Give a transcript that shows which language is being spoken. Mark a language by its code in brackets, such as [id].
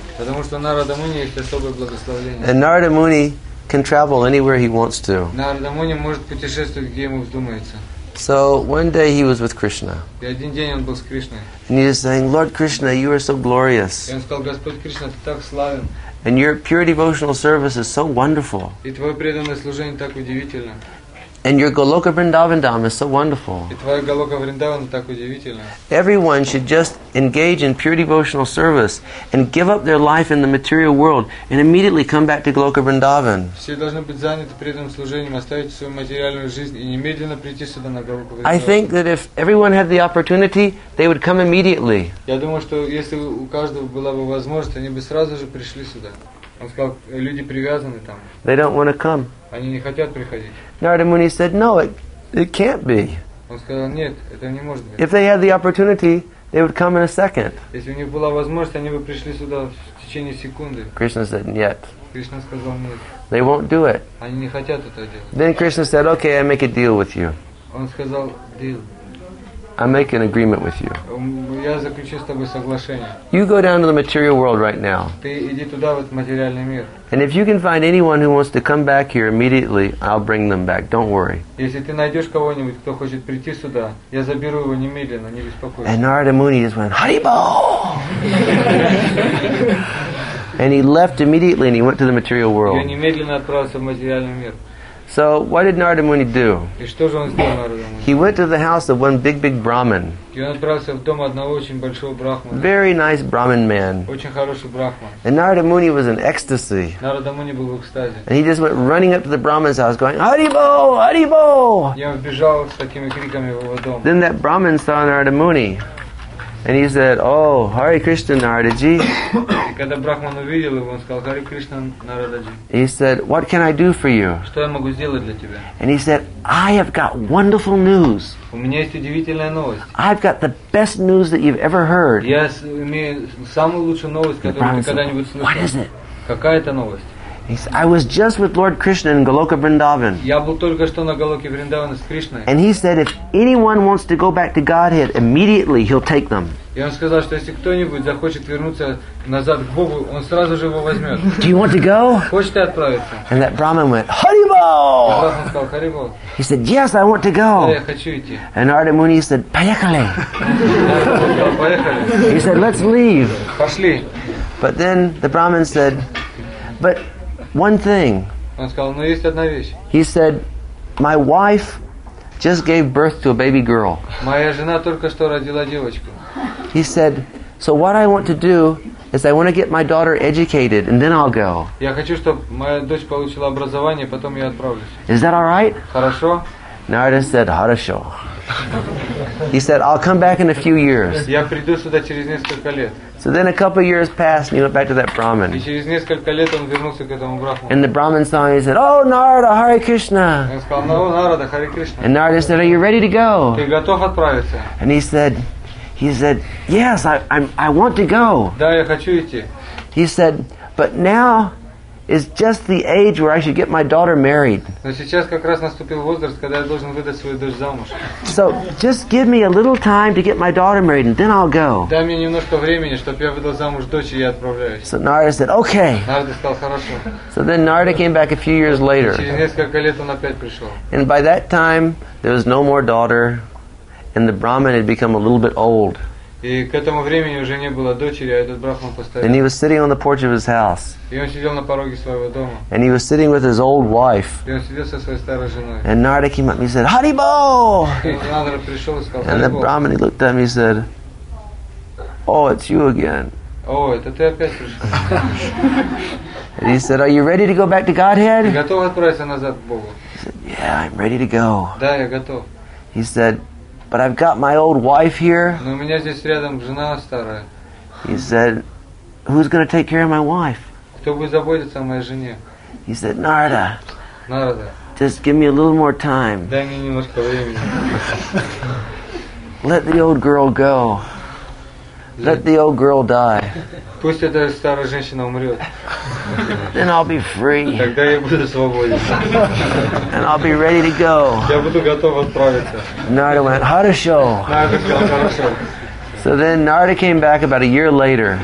[en] And Narada Muni can travel anywhere he wants to. So one day he was with Krishna. And he was saying, Lord Krishna, you are so glorious. And your pure devotional service is so wonderful. [ru] И твое преданное служение так удивительно. [en] And your Goloka Vrindavan Dham is so wonderful. [ru] И твое Голока Вриндаван так удивительно. [en] Everyone should just engage in pure devotional service and give up their life in the material world and immediately come back to Goloka Vrindavan. [ru] Все должны быть заняты преданным служением, оставить свою материальную жизнь и немедленно прийти сюда на Голоку Вриндаван. [en] I think that if everyone had the opportunity, they would come immediately. [ru] Я думаю, что если у каждого была бы возможность, они бы сразу же пришли сюда. Он сказал, люди привязаны там. [en] They don't want to come. [ru] Они не хотят приходить. [en] Narada Muni said, no, it can't be. [ru] Он сказал, нет, это не может быть. [en] If they had the opportunity, they would come in a second. [ru] Если у них была возможность, они бы пришли сюда в течение секунды. [en] Krishna said, [ru] нет. Кришна сказал, нет. [en] They won't do it. [ru] Они не хотят этого делать. [en] Then Krishna said, okay, I make a deal with you. [ru] Он сказал, deal. [en] I make an agreement with you. [ru] Я заключу с тобой соглашение. [en] You go down to the material world right now. [ru] Ты иди туда, в этот материальный мир. [en] And if you can find anyone who wants to come back here immediately, I'll bring them back. Don't worry. [ru] Если ты найдешь кого-нибудь, кто хочет прийти сюда, я заберу его немедленно, не беспокойся. [en] And Narada Muni just went, Haribol! And he left immediately and he went to the material world. [ru] Я немедленно отправился в материальный мир. [en] So what did Narada Muni do? [ru] И что же он сделал, Narada Muni? [en] He went to the house of one big Brahmin. [ru] И он отправился в дом одного очень большого Брахмана. [en] Very nice Brahmin man. [ru] Очень хороший Брахман. [en] And Narada Muni was in ecstasy. [ru] Narada Muni был в экстазе. [en] And he just went running up to the Brahmin's house going, Haribo! Haribo! [ru] И он бежал с такими криками в его дом. [en] Then that Brahmin saw Narada Muni. And he said, oh, Hare Krishna, Naradaji. [ru] Когда Брахман увидел его, он сказал, Hare Krishna, Naradaji. [en] He said, what can I do for you? [ru] Что я могу сделать для тебя? [en] And he said, I have got wonderful news. [ru] У меня есть удивительная новость. [en] I've got the best news that you've ever heard. [ru] Я имею самую лучшую новость, которую ты когда-нибудь слышал. [en] What is it? [ru] Какая это новость? [en] He said, I was just with Lord Krishna in Goloka Vrindavan. [ru] Я был только что на Голоке Вриндаване с Кришной. [en] And he said, if anyone wants to go back to Godhead immediately, he'll take them. [ru] И он сказал, что если кто-нибудь захочет вернуться назад к Богу, он сразу же его возьмет. [en] Do you want to go? [ru] Хочешь ты отправиться? [en] And that Brahmin went, Haribo! [ru] Брахман сказал, Haribo. [en] He said, yes, I want to go. [ru] Да, я хочу идти. [en] And Narada Muni said, [ru] поехали. [en] He said, let's leave. [ru] Пошли. [en] But then the Brahmin said, but one thing. [ru] Он сказал, но есть одна вещь. [en] He said, my wife just gave birth to a baby girl. [ru] Моя жена только что родила девочку. [en] He said, so what I want to do is I want to get my daughter educated and then I'll go. [ru] Я хочу, чтобы моя дочь получила образование, потом я отправлюсь. [en] Is that all right? [ru] Хорошо. [en] Narada said, [ru] хорошо. [en] He said, I'll come back in a few years. [ru] Я приду сюда через несколько лет. [en] So then a couple of years passed and he went back to that Brahmin. [ru] И через несколько лет он вернулся к этому Брахману. [en] And the Brahmin saw him and he said, oh, Narada, Hare Krishna. [ru] Он сказал, ну, Narada, Hare Krishna. [en] And Narada said, are you ready to go? [ru] Ты готов отправиться? [en] And he said, yes, I want to go. [ru] Да, я хочу идти. [en] He said, but now is just the age where I should get my daughter married. [ru] Но сейчас как раз наступил возраст, когда я должен выдать свою дочь замуж. [en] So just give me a little time to get my daughter married, and then I'll go. [ru] Дай мне немножко времени, чтобы я выдал замуж дочь, и я отправляюсь. [en] So Narada said, okay. [ru] Narada сказал, хорошо. [en] So then Narada came back a few years later. [ru] Через несколько лет он опять пришел. [en] And by that time, there was no more daughter, and the Brahmin had become a little bit old. [ru] И к этому времени уже не было дочери, а этот брахман постарел. [en] And he was sitting on the porch of his house. [ru] И он сидел на пороге своего дома. [en] And he was sitting with his old wife. [ru] И он сидел со своей старой женой. [en] And Narada came up and he said, Haribo! [ru] Нарада пришел и сказал, [en] And the brahman, he looked at him, he said, Oh, it's you again. [ru] Oh, это ты опять пришел. [en] He said, Are you ready to go back to Godhead? [ru] Ты готов отправиться назад к Богу? [en] He said, Yeah, I'm ready to go. [ru] Да, я готов. [en] He said, But I've got my old wife here. [ru] Но у меня здесь рядом жена старая. [en] He said, Who's going to take care of my wife? [ru] Кто будет заботиться о моей жене? [en] He said, Narada. Narada. Just give me a little more time. [ru] Дай мне немножко времени. [en] Let the old girl go. Let the old girl die. [ru] Пусть эта старая женщина умрет. [en] Then I'll be free. [ru] Тогда я буду свободен. [en] And I'll be ready to go. [ru] Я буду готов отправиться. [en] Narada went, [ru] хорошо. Narada сказал, хорошо. [en] So then Narada came back about a year later.